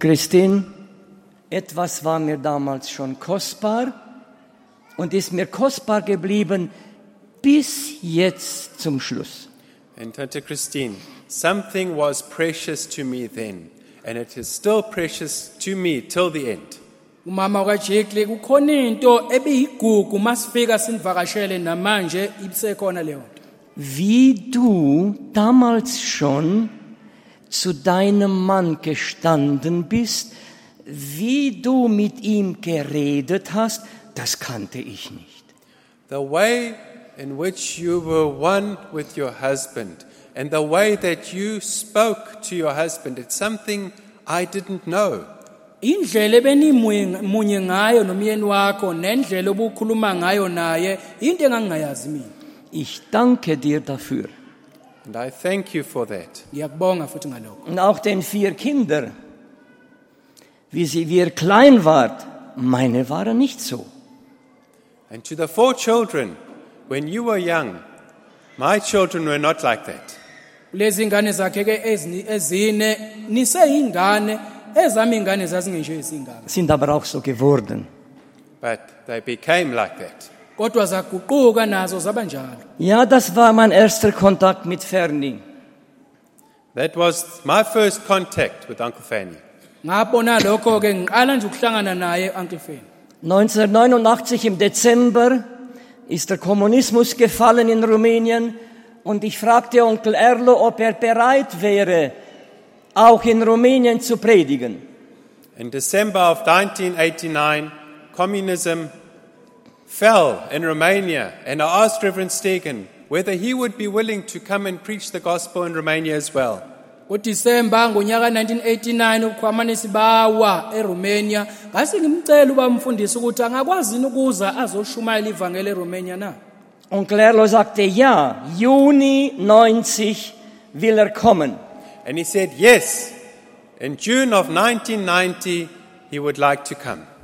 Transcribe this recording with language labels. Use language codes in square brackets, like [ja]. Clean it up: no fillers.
[de] Christine, etwas war mir damals schon kostbar und ist mir kostbar geblieben bis jetzt zum Schluss. [en] And Tante Christine, something was precious to me then and it is still precious to me till the end. [zu] Umama kaJekle kukhona into ebiyigugu masifika sinivakashele namanje ibisekhona leyo. [de] Wie du damals schon zu deinem Mann gestanden bist, wie du mit ihm geredet hast, das kannte ich nicht. [en] The way in which you were one with your husband and the way that you spoke to your husband, it's something I didn't know. [zu] Indlela ebenimunye ngayo nomyeni wakho nendlela obukhuluma ngayo naye into engangayazi mina. [de] Ich danke dir dafür. [en] And I thank you for that. [zu] Ngiyakubonga futhi ngalokho. [de] Und auch den 4 Kinder, wie sie wir klein wart, meine waren nicht so. [en] And to the 4 children, when you were young, my children were not like that. [zu] Lezi ingane zakhe ke ezine nise ingane ezami ingane zazingenje ezingane. [de] Sind aber auch so geworden. [en] But they became like that. [zu] Kodwa zaguquka nazo zaba njalo. [de] Ja, das war mein erster Kontakt mit Fanny. [en] That was my first contact with Uncle Fanny. [zu] Ngabona lokho ke ngiqala nje ukuhlangana naye Uncle Fanny. [de] 1989 im Dezember ist der Kommunismus gefallen in Rumänien und ich fragte Onkel Erlo, ob er bereit wäre, auch in Rumänien zu predigen. [en] In December of 1989 Communism fell in Romania and I asked Reverend Stegen whether he would be willing to come and preach the gospel in Romania as well. [zu] December 1989 ukhwamanisi bawa eRomania ngase ngimcela ubamfundisi ukuthi angakwazi ukuza azoshumayela ivangeli eRomania na. [de] Onkel Erlo sagte ja, Juni 90 will er kommen. [en] And he said yes, in June of 1990 he would like to come.